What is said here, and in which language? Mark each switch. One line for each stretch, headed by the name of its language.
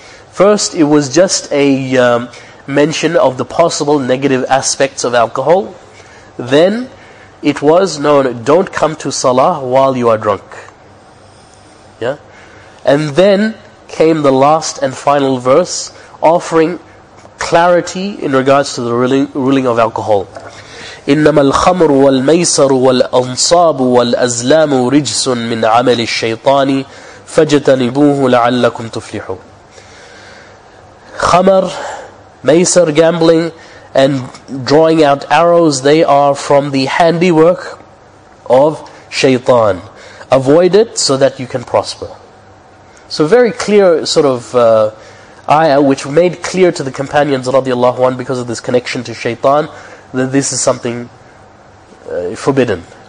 English: First, it was just a mention of the possible negative aspects of alcohol. Then, it was, no, don't come to salah while you are drunk. Yeah? And then came the last and final verse offering clarity in regards to the ruling of alcohol.
Arabic: إنما الخمر والميسر والأنصاب والأزلام رجس من عمل الشيطان فاجتنبوه لعلكم تفلحون.
English: خمر, ميسر, gambling and drawing out arrows, they are from the handiwork of shaitan. Avoid it so that you can prosper. So very clear sort of ayah, which made clear to the companions radiallahu anhu because of this connection to shaitan, that this is something forbidden.